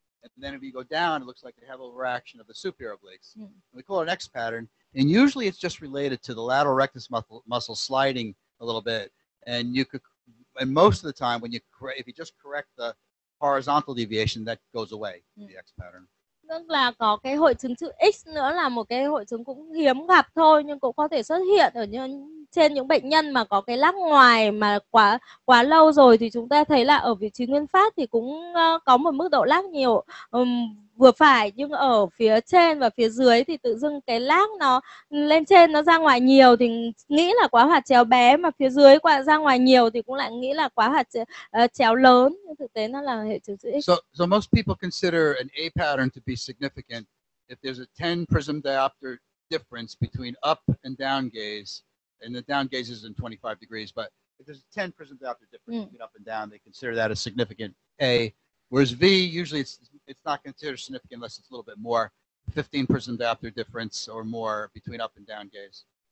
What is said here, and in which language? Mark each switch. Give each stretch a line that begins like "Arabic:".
English: And then if you go down, it looks like they have overaction of the superior obliques. Mm. We call it an X pattern. And usually it's just related to the lateral rectus muscle sliding a little bit. And you could, and most of the time, when you if you just correct the horizontal deviation, that goes away, the X pattern.
Vietnamese: Tức là có cái hội chứng chữ X nữa là một cái hội chứng cũng hiếm gặp thôi, nhưng cũng có thể xuất hiện ở trên những bệnh nhân mà có cái lác ngoài mà quá lâu rồi, thì chúng ta thấy là ở vị trí nguyên phát thì cũng có một mức độ lác nhiều vừa phải, nhưng ở phía trên và phía dưới thì tự dưng cái lác nó lên trên nó ra ngoài nhiều thì nghĩ là quá hoạt chéo bé, mà phía dưới qua ra ngoài nhiều thì cũng lại nghĩ là quá hoạt chéo lớn, nhưng thực tế nó là hệ chứng chữ X.
English: So most people consider an A pattern to be significant if there's a 10 prism diopter difference between up and down gaze. And the down gaze is in 25 degrees, but if there's a 10 prism diopter difference between up and down, they consider that a significant A. Whereas V, usually it's not considered significant unless it's a little bit more, 15 prism diopter difference or more between up and down gaze.